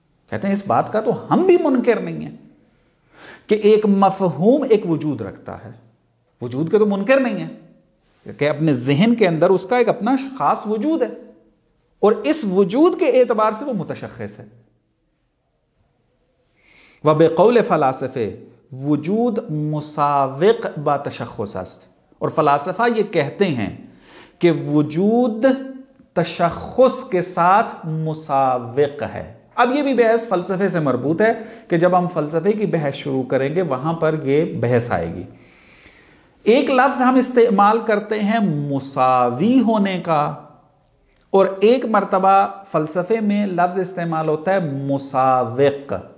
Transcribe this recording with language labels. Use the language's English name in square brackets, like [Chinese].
[Urdu] کہتے ہیں اس بات کا تو ہم بھی منکر نہیں ہیں کہ ایک مفہوم ایک وجود رکھتا ہے، وجود کے تو منکر نہیں ہیں کہ اپنے ذہن کے اندر اس کا ایک اپنا خاص وجود ہے، اور اس وجود کے اعتبار سے وہ متشخص ہے. [Persian] وَبِقَوْلِ فَلَاسِفِ وجود مساوق با تشخص است. [Urdu] اور فلاسفہ یہ کہتے ہیں کہ وجود تشخص کے ساتھ مساوق ہے. اب یہ بھی بحث فلسفے سے مربوط ہے کہ جب ہم فلسفے کی بحث شروع کریں گے وہاں پر یہ بحث آئے گی. ایک لفظ ہم استعمال کرتے ہیں مساوی ہونے کا، اور ایک مرتبہ فلسفے میں لفظ استعمال ہوتا ہے مساوق.